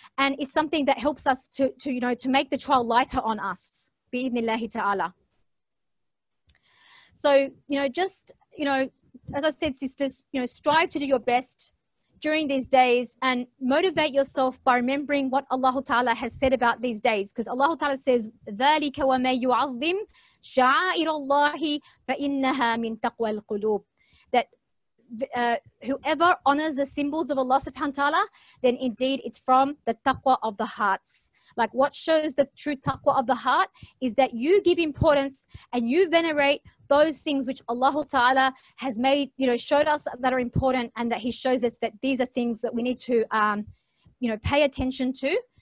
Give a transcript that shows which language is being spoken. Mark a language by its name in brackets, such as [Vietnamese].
[English] And it's something that helps us to you know, to make the trial lighter on us. Bi'idhnillahi Ta'ala. So, you know, just, you know, as I said, sisters, you know, strive to do your best during these days and motivate yourself by remembering what Allah Ta'ala has said about these days. Because Allah Ta'ala says, [Arabic] ذَلِكَ وَمَا يُعَظِّمْ شَعَائِرَ اللَّهِ فَإِنَّهَا مِنْ تَقْوَى الْقُلُوبِ. [English] That whoever honors the symbols of Allah Subh'anaHu Wa Ta'ala, then indeed it's from the taqwa of the hearts. Like, what shows the true taqwa of the heart is that you give importance and you venerate those things which Allah Ta'ala has made, you know, showed us that are important, and that He shows us that these are things that we need to, you know, pay attention to.